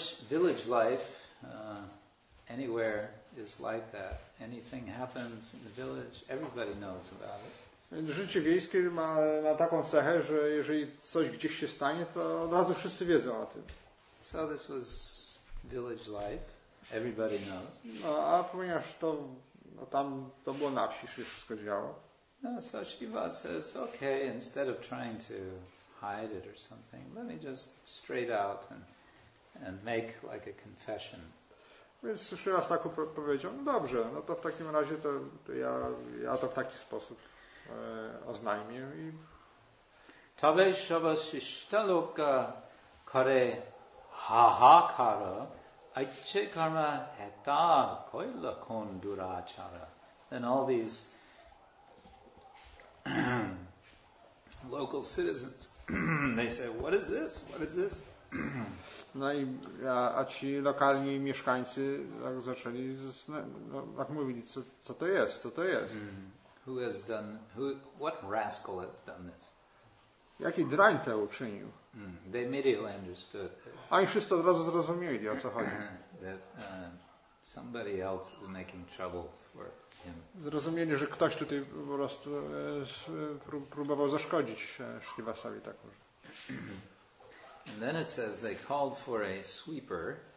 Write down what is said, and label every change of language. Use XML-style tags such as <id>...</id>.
<en>Village life anywhere is like that. Anything happens in the village, everybody knows about it.</en> <pl>Życie wiejskie ma taką cechę, że jeżeli coś gdzieś się stanie, to od razu wszyscy wiedzą o tym.</pl> <en>So this was village life. Everybody knows.</en> <pl>No, a ponieważ to no, tam to było na wsi, że wszystko działo.</pl> <en>No, so Shiva says, okay, instead of trying to hide it or something, let me just straight out and make like a confession.</en> <pl>Więc jeszcze raz tak powiedział, no dobrze, no to w takim razie to ja to w taki sposób oznajmię. I... To byś obaśtaluk kore hahakara, a czy karma heta koila konduracara.</pl> <en>And all these local citizens, they say, what is this? What is this?</en> <pl>No i a ci lokalni mieszkańcy tak zaczęli tak mówili, co to jest? Mm.</pl> <en>Who has done, what rascal has done this?</en> <pl>Jaki drań to uczynił? Mm.</pl> <en>They immediately understood.</en> <pl>Oni wszyscy od razu zrozumieli, o co chodzi.</pl> <en>That somebody else is making trouble for him.</en> <pl>Zrozumieli, że ktoś tutaj po prostu próbował zaszkodzić Srivasowi tak może.</pl> <en>And then it says they called for a sweeper.</en>